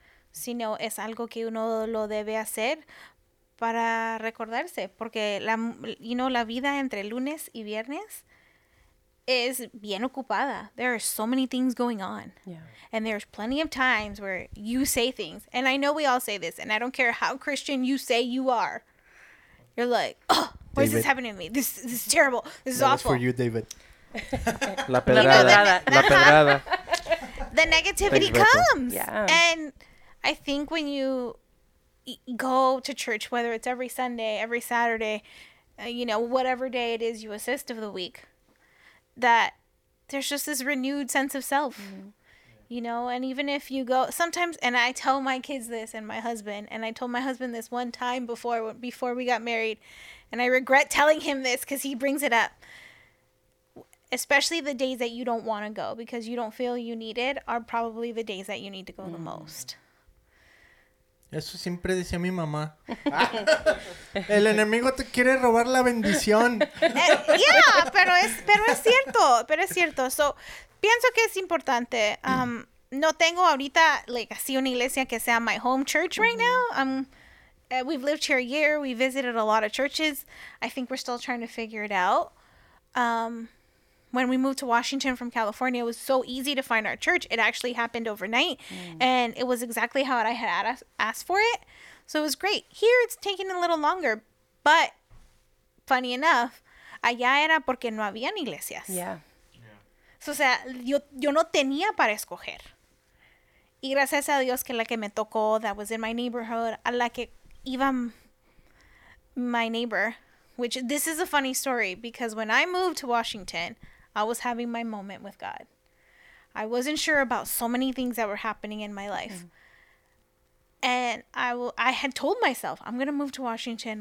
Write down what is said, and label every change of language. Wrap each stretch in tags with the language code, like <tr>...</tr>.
<es>Sino es algo que uno lo debe hacer para recordarse. Porque la vida entre lunes y viernes es bien ocupada.</es> <en>There are so many things going on. Yeah. And there's plenty of times where you say things. And I know we all say this. And I don't care how Christian you say you are. You're like, oh, why is this happening to me? This is terrible. This is awful. That's for you, David.</en> <es>La pedrada. La pedrada.</es> <en>The negativity comes. Yeah. And I think when you go to church, whether it's every Sunday, every Saturday, you know, whatever day it is you assist of the week, that there's just this renewed sense of self, you know? And even if you go sometimes, and I tell my kids this and my husband, and I told my husband this one time before we got married, and I regret telling him this because he brings it up. Especially the days that you don't want to go because you don't feel you need it are probably the days that you need to go the most.</en> <es>Eso siempre decía mi mamá. Ah, el enemigo te quiere robar la bendición. Pero es cierto. So, pienso que es importante. No tengo ahorita, like, así una iglesia que sea</es> <en>my home church right now. We've lived here a year. We visited a lot of churches. I think we're still trying to figure it out. When we moved to Washington from California, it was so easy to find our church. It actually happened overnight. And it was exactly how I had asked for it. So it was great. Here, it's taking a little longer. But, funny enough,</en> <es>allá era porque no habían iglesias.</es> <en>Yeah.</en> <es>So, o sea, yo no tenía para escoger. Y gracias a Dios que la que me tocó,</es> <en>that was in my neighborhood,</en> <es>a la que iba</es> <en>my neighbor, which this is a funny story, because when I moved to Washington, I was having my moment with God. I wasn't sure about so many things that were happening in my life. Mm. And I had told myself, I'm going to move to Washington.</en>